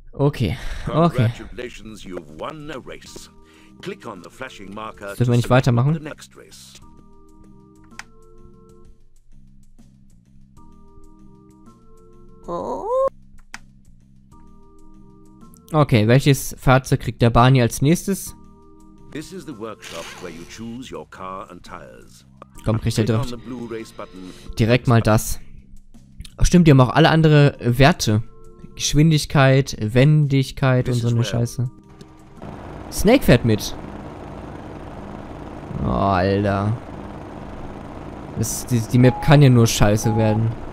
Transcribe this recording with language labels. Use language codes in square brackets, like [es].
[de] Okay, okay. Dürfen wir nicht weitermachen? Okay, welches Fahrzeug kriegt der Barney als nächstes? [en] This is the workshop where you choose your car and tires. [de] Komm, kriegt er direkt mal das. Ach, stimmt, die haben auch alle andere Werte. Geschwindigkeit, Wendigkeit und so eine Scheiße. Snake fährt mit. Oh, Alter. Die Map kann ja nur scheiße werden.